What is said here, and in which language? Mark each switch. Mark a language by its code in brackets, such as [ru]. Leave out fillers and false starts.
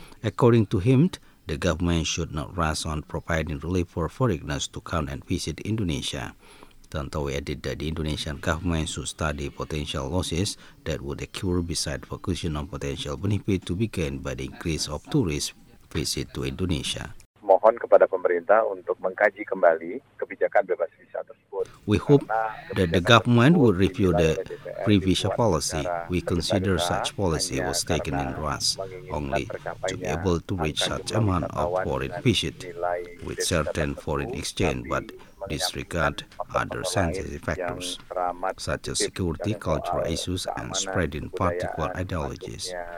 [en] According to him, the government should not rush on providing relief for foreigners to come and visit Indonesia. Tantowi added that the Indonesian government should study potential losses that would occur besides focusing on potential benefit to be gained by the increase of tourist visit to Indonesia. [id] Mohon kepada pemerintah untuk mengkaji kembali kebijakan bebas visa tersebut. [en] We hope that the government would review the previous policy. We consider such policy was taken in advance only to be able to reach such amount of foreign visit with certain foreign exchange, but disregard other sensitive factors such as security, cultural issues, and spreading particular ideologies.